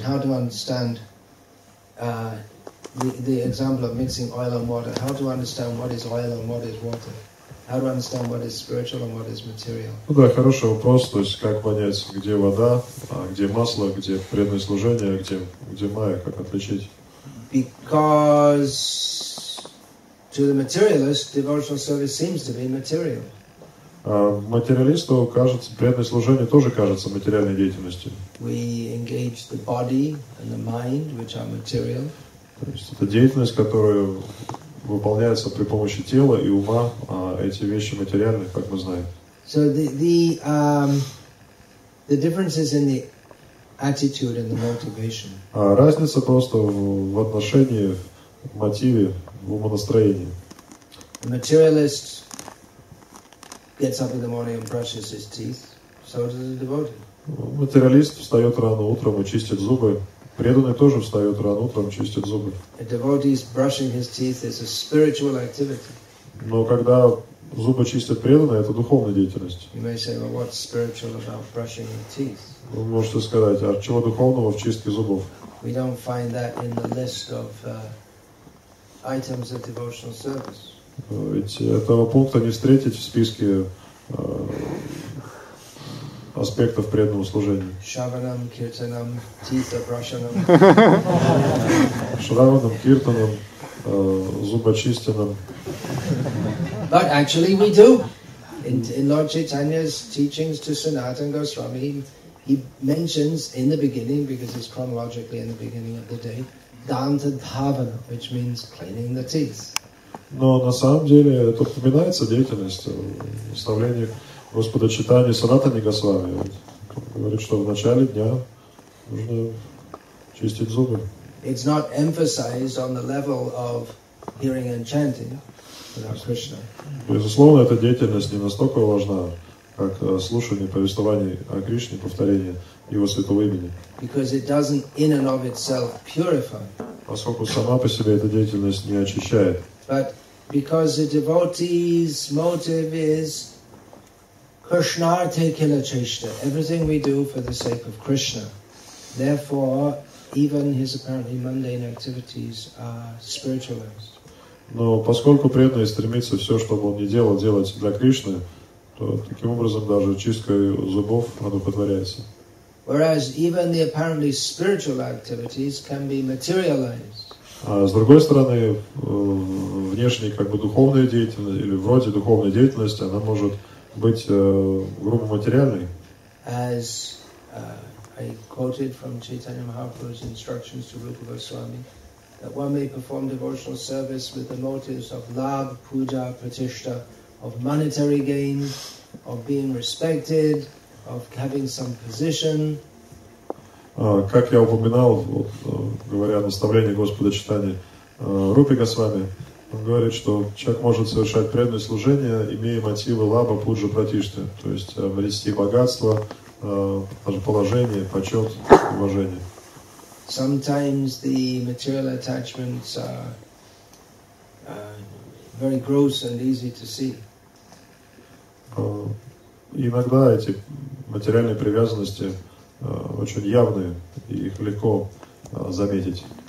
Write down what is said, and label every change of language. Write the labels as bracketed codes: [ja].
[en] How to understand the example of mixing oil and water? How to understand what is oil and what is water? How to understand what is spiritual and what is material? [ru] Ну да, хороший вопрос. То есть как понять, где вода, где масло, где преданное служение, где майя, как отличить? [en] Because To the materialist, devotional service seems to be material. [ru] Материалисту кажется, преданное служение тоже кажется материальной деятельностью. [en] We engage the body and the mind, which are material. [ru] То есть это деятельность, которая выполняется при помощи тела и ума, а эти вещи материальные, как мы знаем. [en] So the differences in the attitude and the motivation. [ru] Разница просто в отношении, в мотиве, в умонастроении. [en] The materialist gets up in the morning and brushes his teeth. So does the devotee. [ru] Материалист встает рано утром и чистит зубы. Преданный тоже встает рано утром, чистит зубы. [en] A devotee is brushing his teeth is a spiritual activity. [ru] Но когда зубы чистят преданные, это духовная деятельность. [en] You may say, well, what's spiritual about brushing your teeth? [ru] Вы можете сказать, а чего духовного в чистке зубов? [en] We don't find that in the list of items of devotional service. [ru] Ведь этого пункта не встретить в списке аспектов преданного служения. [sa] Шраванам, киртанам, тита брашанам. Шраванам, киртанам, зубочистинам. [en] But actually we do. In Lord Chaitanya's teachings to Sanatana Goswami, he mentions in the beginning, because it's chronologically in the beginning of the day, danta dhavana, which means cleaning the teeth. [ru] Но на самом деле это упоминается деятельность наставления Господа Чайтаньи Санатаны Госвами. Он говорит, что в начале дня нужно чистить зубы. [en] It's not emphasized on the level of hearing and chanting without Krishna. [ru] Безусловно, эта деятельность не настолько важна, как слушание повествований о Кришне, повторение Его святого имени. [en] Because it doesn't in and of itself purify. [ru] Поскольку сама по себе эта деятельность не очищает. [en] But because the devotee's motive is [sa] Krishnarthe Kila Chesta, [en] everything we do for the sake of Krishna, therefore even his apparently mundane activities are spiritualized. [ru] Но поскольку преданный стремится все, что бы он ни делал, делать для Кришны, то таким образом даже чистка зубов одухотворяется. [en] Whereas even the apparently spiritual activities can be materialized. [ru] А с другой стороны, внешняя как бы духовная деятельность или вроде духовной деятельности, она может быть грубо материальной. [en] As I quoted from Chaitanya Mahaprabhu's instructions to Rupa Goswami, that one may perform devotional service with the motives of love, puja, pratishtha, of monetary gain, of being respected, of having some position. [ru] Как я упоминал, вот, говоря о наставлении Господа Чайтаньи Рупы Госвами, он говорит, что человек может совершать преданное служение, имея мотивы лаба, пуджа, пратишты, то есть обрести богатство, даже положение, почет, уважение. [en] Sometimes the material attachments are very gross and easy to see. [ru] Иногда эти материальные привязанности очень явные, и их легко заметить.